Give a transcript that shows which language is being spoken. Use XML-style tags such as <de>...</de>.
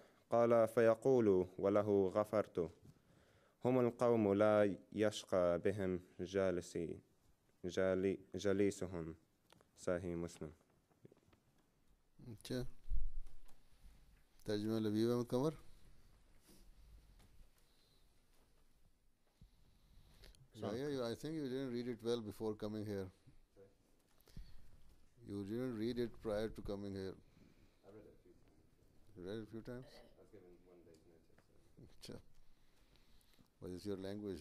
<ar>قال فيقول: وله غفرت، هم القوم لا يشقى بهم جليسهم. صحيح مسلم.</ar> <ur>اچھا، ترجمہ Labib Ahmad Qamar.</ur> <en>I think you didn't read it well before coming here. You didn't read it prior to coming here. read it a few times? What is your language?</en>